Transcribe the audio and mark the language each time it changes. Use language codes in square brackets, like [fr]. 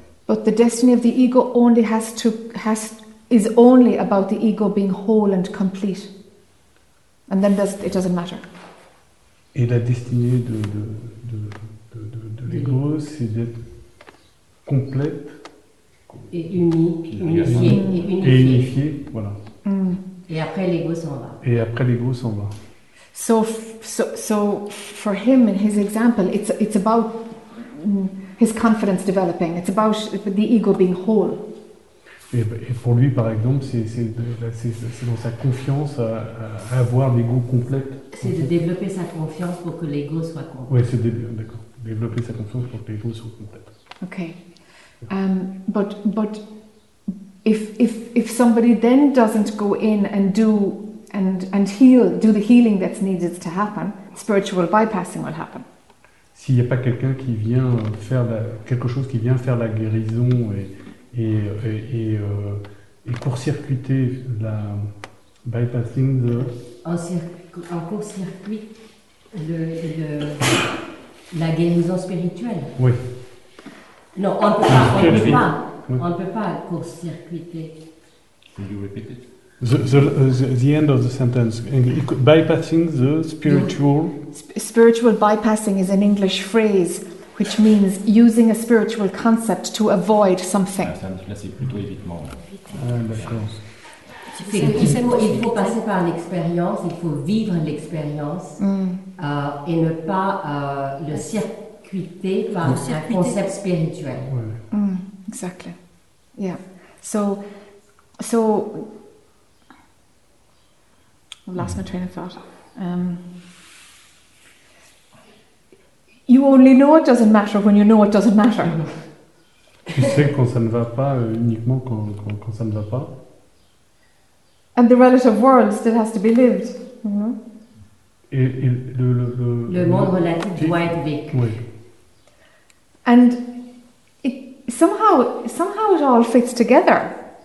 [en] But the destiny of the ego only is only about the ego being whole and complete, and then it doesn't matter. [fr] Et la destinée de l'ego, c'est d'être complète et unifié. Voilà. Et après l'ego s'en va. [en] So for him, in his example, it's about his confidence developing. It's about the ego being whole. [fr] Et pour lui, par exemple, c'est dans sa confiance à avoir l'ego complète. C'est de développer sa confiance pour que l'ego soit complet. Oui, c'est d'accord. Développer sa confiance pour que l'ego soit complète. Ok. [en] But if somebody then doesn't go in and do the healing that's needed to happen, spiritual bypassing will happen. [fr] S'il n'y a pas quelqu'un qui vient faire quelque chose qui vient faire la guérison et court-circuiter la [en] bypassing the [fr] en court-circuit le la guérison spirituelle. Oui. Non, on peut pas. On peut pas court-circuiter. [en] Can you repeat it? The end of the sentence. Bypassing the spiritual. Spiritual bypassing is an English phrase. Which means using a spiritual concept to avoid something. [fr] Là, c'est plutôt évitement. Ah, d'accord. Il faut passer par l'expérience, il faut vivre l'expérience et ne pas le circuiter par un concept spirituel. Ouais. [en] Exactly. Yeah. So. I've lost my train of thought. You only know it doesn't matter when you know it doesn't matter. [fr] Tu sais quand ça ne va pas uniquement quand ça ne va pas. [en] And the relative world still has to be lived. [fr] Et le monde relatif doit être vécu. Oui. [en] And somehow it all fits together.